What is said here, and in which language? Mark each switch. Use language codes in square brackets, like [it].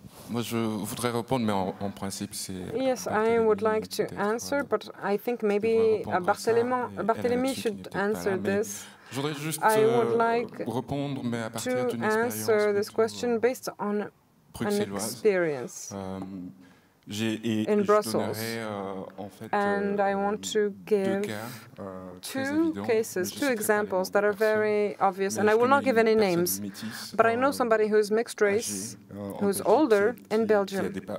[fr] Moi, je voudrais répondre, mais en principe, c'est... [en] Yes, I would like to answer, but I think maybe Barthélémy should answer this. [fr] Je voudrais juste répondre, mais à partir d'une expérience... [en] To answer this question based on an experience. In Brussels, and I want to give two cases, two examples that are very obvious, and I will not give any names, but I know somebody who is mixed race, who's older in Belgium,